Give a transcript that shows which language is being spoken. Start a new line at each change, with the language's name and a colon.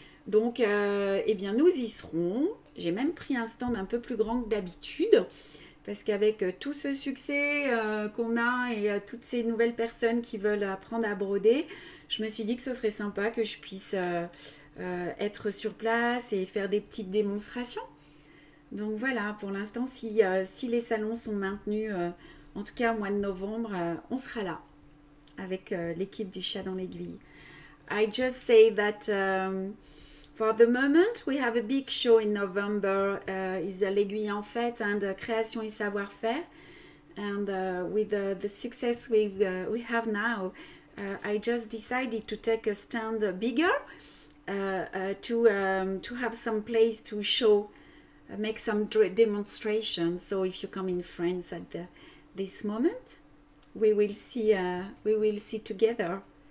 French: Donc, eh bien, nous y serons. J'ai même pris un stand un peu plus grand que d'habitude, parce qu'avec tout ce succès qu'on a et toutes ces nouvelles personnes qui veulent apprendre à broder, je me suis dit que ce serait sympa que je puisse... être sur place et faire des petites démonstrations. Donc voilà, pour l'instant, si les salons sont maintenus, en tout cas au mois de novembre, on sera là avec l'équipe du chat dans l'aiguille.
English: I just say that for the moment, we have a big show in November. Is
French: l'aiguille en fête, hein, de création et savoir-faire.
English: And with the success we have now, I just decided to take a stand bigger. To have some place to show, make some demonstrations. So if you come in France at this moment, we will see together.